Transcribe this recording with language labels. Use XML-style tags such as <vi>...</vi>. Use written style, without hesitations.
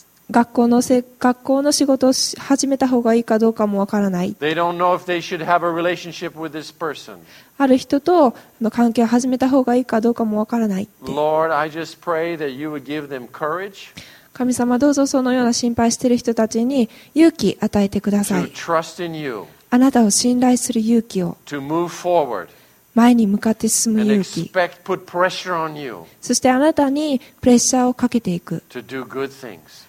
<ja>学校の仕事を始めた方がいいかどうかもわからない。</ja> <en>They don't know if they should have a relationship with this person.</en> <ja>ある人との関係を始めた方がいいかどうかもわからないって。</ja> <en>Lord, I just pray that you would give them courage.</en> <ja>神様、どうぞそのような心配している人たちに勇気与えてください。</ja> <en>To trust in you.</en> <ja>あなたを信頼する勇気を。</ja> <en>To move forward.</en> <ja>前に向かって進む勇気、</ja> <en>put pressure on you.</en> <ja>そしてあなたにプレッシャーをかけていく、</ja> <en>to do good things.</en>